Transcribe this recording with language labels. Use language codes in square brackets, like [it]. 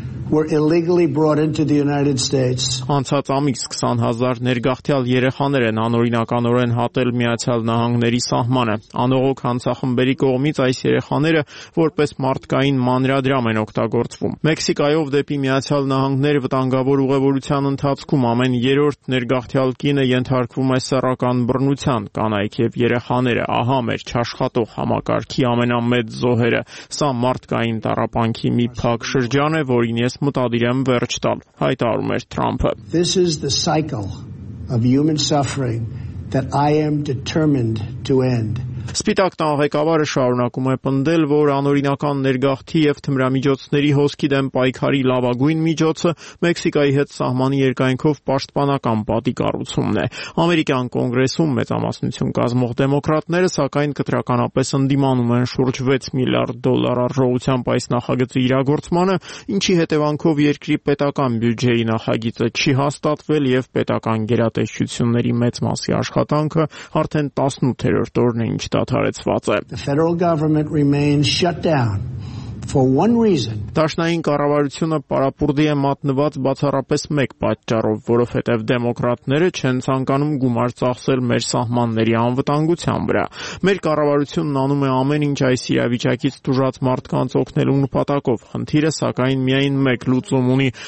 [en] were illegally brought into the United States. [hy] Անցած ամիս 20,000 ներգաղթյալ երեխաներ են անօրինականորեն հատել Միացյալ Նահանգների սահմանը։ Անողոք հանցախմբերի կողմից այս երեխաները որպես մարդկային մանրադրամ են օգտագործվում։ Մեքսիկայով դեպի Միացյալ Նահանգներ վտանգավոր ուղևորության ընթացքում ամեն երրորդ ներգաղթյալ կինը ենթարկվում է սեռական բռնության, կանայք եւ երեխաները, ահա մեր չաշխատող համակարգի ամենամեծ զոհերը։ Սա մարդկային տառապանքի մի փակ շրջան է, որին ես մտադիր եմ վերջ տալ, հայտարարում էր Թրամփը։ [en] This is the cycle of human suffering that I am determined to end. [hy] Սպիտակ տան ղեկավարը շարունակում է պնդել, որ անօրինական ներգաղթի եւ թմրամիջոցների հոսքի դեմ պայքարի լավագույն միջոցը Մեքսիկայի հետ սահմանի երկայնքով պաշտպանական պատի կառուցումն է։ Ամերիկյան կոնգրեսում մեծամասնություն կազմող դեմոկրատները, սակայն, կտրականապես ընդդիմանում են շուրջ 6 միլիարդ դոլար առողջությամբ այս նախագծի իրագործմանը, ինչի հետևանքով երկրի պետական բյուջեի նախագիծը չի հաստատվել եւ պետական գերատեսչությունների մեծ մասի աշխատանքը արդեն 18-րդ օրն է չդադարեցված է։ [en] The federal government remains shut down for one reason. [hy] Դաշնային կառավարությունը պարապուրդի է մատնված բացառապես մեկ պատճառով, որովհետև դեմոկրատները չեն ցանկանում գումար ծախսել մեր սահմանների անվտանգության վրա։ Մեր կառավարությունն անում է ամեն ինչ այս իրավիճակից դուրս մարդկանց օգնելու նպատակով։ Խնդիրը, սակայն, միայն մեկ լուծում ունի.